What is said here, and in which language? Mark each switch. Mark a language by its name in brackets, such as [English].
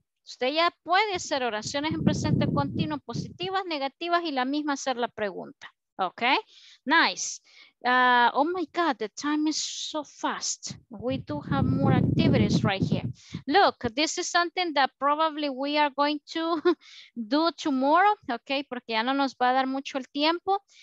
[Spanish] Usted ya puede hacer oraciones en presente continuo, positivas, negativas, y la misma hacer la pregunta, okay? [English] Nice. Oh my God, the time is so fast. We do have more activities right here. Look, this is something that probably we are going to do tomorrow, okay? [Spanish] Porque ya no nos va a dar mucho el tiempo.